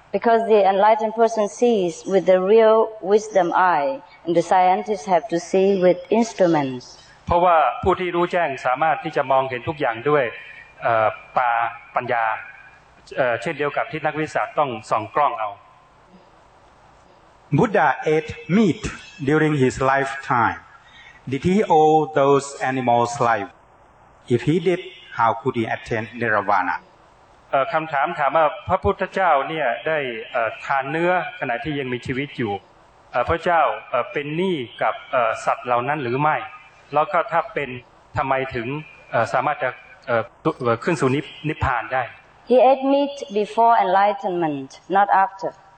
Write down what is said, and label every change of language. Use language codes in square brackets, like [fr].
[en] Because the enlightened person sees with the real wisdom eye, and the scientists have to see with instruments. [th] เพราะว่าผู้ที่รู้แจ้งสามารถที่จะมองเห็นทุกอย่างด้วยตาปัญญาเช่นเดียวกับที่นักวิทยาศาสตร์ต้องส่องกล้องเอา [en] Buddha ate meat during his lifetime. Did he owe those animals life? If he did, how could he attain Nirvana? [th] คำถามถามว่าพระพุทธเจ้าเนี่ยได้ทานเนื้อขณะที่ยังมีชีวิตอยู่พระเจ้าเป็นหนี้กับสัตว์เหล่านั้นหรือไม่แล้วก็ถ้าเป็นทำไมถึงสามารถจะขึ้นสู่นิพพานได้ [en] He ate meat before enlightenment, not after.